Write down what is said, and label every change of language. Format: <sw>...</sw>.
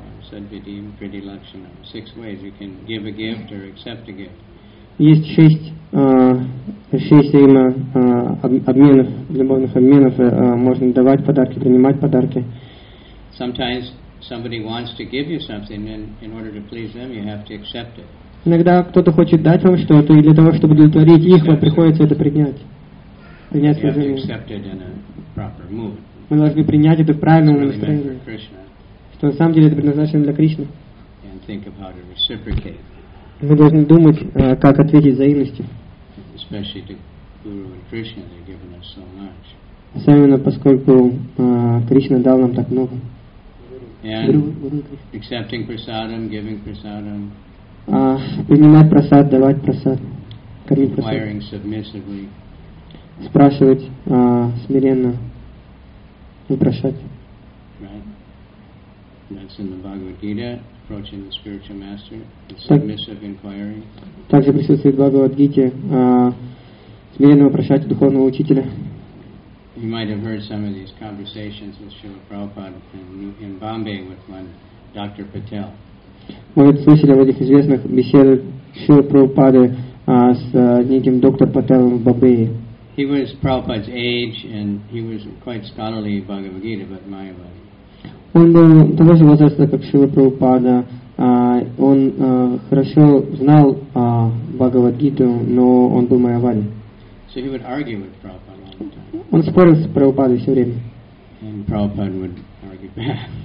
<en>Садвидим придилакшинам. Six ways you can give a gift or accept a gift.</en> <ru>Есть шесть взаимообменов, любовных обменов. Можно давать подарки, принимать подарки.</ru> <en>Sometimes somebody wants to give you something, and in order to please them, you have to accept it.</en> <ru>Иногда кто-то хочет дать вам что-то, и для того, чтобы удовлетворить их, вам приходится это принять.</ru> <en>You have to accept it in a proper mood.</en> <ru>Мы должны принять это в правильном настроении. Что на самом деле это предназначено для Кришны.</ru> <en>And think of how to reciprocate.</en> <ru>Мы должны думать, как ответить взаимностью.</ru> <en>Especially to Guru and Krishna, they've given us so much.</en> <ru>Особенно поскольку Кришна дал нам так много.</ru> <en>And accepting prasadam, giving prasadam,</en> <ru>принимать прасад, давать прасад, кормить</ru> <en>прасад, inquiring submissively,</en> <ru>спрашивать смиренно, не прощать.</ru> <en>Right. That's in the Bhagavad Gita, approaching the spiritual master, submissive inquiring.</en> <ru>Также присутствует в Бхагавад Гите смиренно прощать духовного учителя.</ru> <en>You might have heard some of these conversations with Srila Prabhupada in Bombay with one Dr. Patel.</en> <ru>Может, слышали об этих известных беседах Шрилы Прабхупады с неким доктором Пателом в Бомбее.</ru> <en>He was Prabhupada's age and he was quite scholarly in Bhagavad Gita, but Mayavadi.</en> <ru>Он был того же возраста, как Шрила Прабхупада. Он хорошо знал Бхагавад Гиту, но он был Майявади.</ru> <en>So he would argue with Prabhupada.</en> <ru>Он спорил с Прабхупадой все время.</ru> <en>And Prabhupada would argue back.</en>